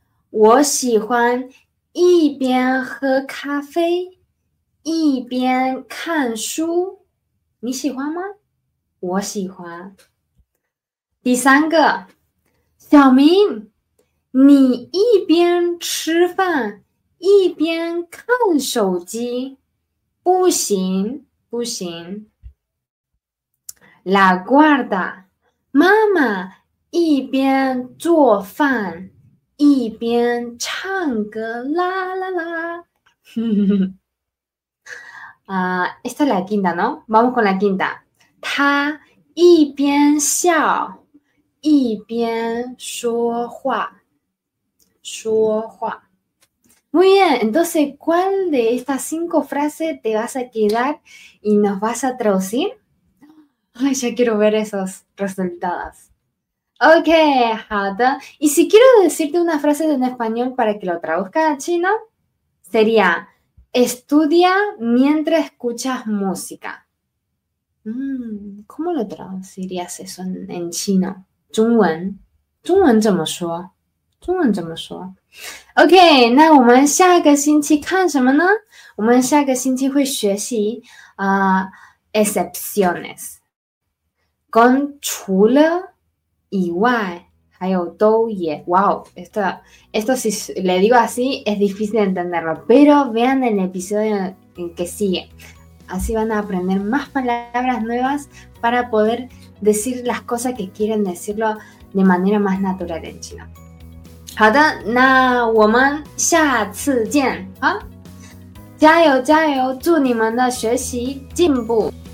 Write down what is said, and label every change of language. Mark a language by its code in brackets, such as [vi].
[zh] 我喜欢一边喝咖啡一边看书。你喜欢吗？我喜欢。第三个，小明，你一边吃饭一边看手机，不行不行。 [es] La guarda， 妈妈。 [zh] 一边做饭，一边唱歌，啦啦啦！ [es] 啊，esta es la quinta, ¿no? Vamos con la quinta. [zh] 他一边笑，一边说话，说话。 [es] Muy bien, entonces, ¿cuál de estas 5 frases te vas a quedar y nos vas a traducir? Ay, ya quiero ver esos resultados. Ok, Hata. Y si quiero decirte una frase en español para que lo traduzca a chino, sería Estudia mientras escuchas música. ¿Cómo lo traducirías eso en chino? [zh] 中文怎么说? OK, 那我们下个星期看什么呢?我们下个星期会学习 excepciones. 跟除了以外, 还有都也, [es] wow, esto si le digo así es difícil de entenderlo, pero vean el episodio en que sigue. Así van a aprender más palabras nuevas para poder decir las cosas que quieren decirlo de manera más natural en chino. [zh] 好的，那我们下次见，好，加油加油，祝你们的学习进步。